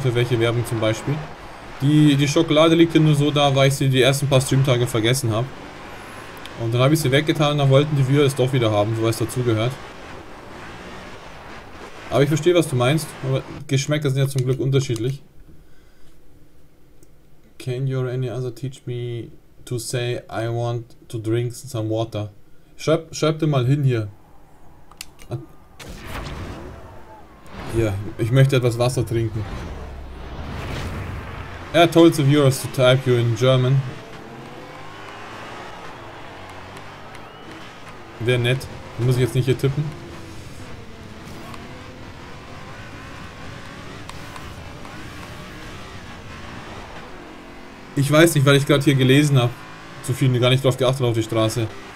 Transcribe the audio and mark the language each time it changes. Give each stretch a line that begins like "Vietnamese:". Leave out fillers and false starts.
German: Für welche Werbung zum Beispiel? Die Schokolade liegt ja nur so da, weil ich sie die ersten paar Streamtage vergessen habe. Und dann habe ich sie weggetan und dann wollten die Viewer es doch wieder haben, so was dazugehört. Aber ich verstehe, was du meinst. Aber Geschmäcker sind ja zum Glück unterschiedlich.
English: Can you or any other teach me to say I want to drink some water?
German: Schreib dir mal hin hier. Hier, ich möchte etwas Wasser trinken.
English: Er told the viewers to type you in German.
German: Wäre nett. Muss ich jetzt nicht hier tippen? Ich weiß nicht, weil ich gerade hier gelesen habe. Zu viel, gar nicht drauf geachtet auf die Straße.